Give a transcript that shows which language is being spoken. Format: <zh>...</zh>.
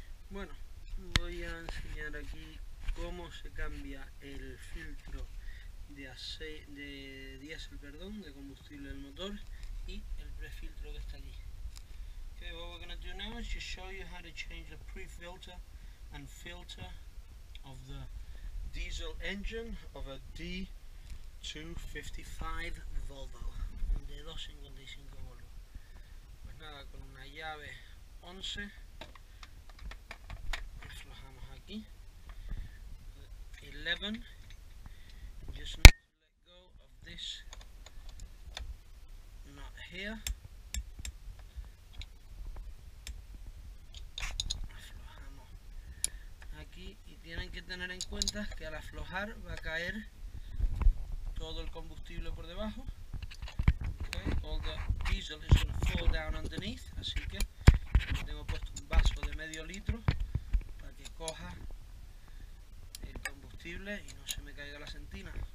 <es>Bueno, voy a enseñar aquí cómo se cambia el filtro de diésel, perdón, de combustible del motor y el prefiltro que está aquí.</es> <en>Okay, what we're going to do now is just show you how to change the prefilter and filter of the diesel engine of a D255 Volvo, un D255 Volvo.</en> <es>Pues nada, con una llave 11 aflojamos aquí 11,</es> <en>just need to let go of this nut here.</en> <es>Aflojamos aquí y tienen que tener en cuenta que al aflojar va a caer todo el combustible por debajo.</es> <en>Okay, all the diesel is going to fall down underneath.</en> <es>Así que tengo puesto un vaso de medio litro para que coja el combustible y no se me caiga la sentina.</es>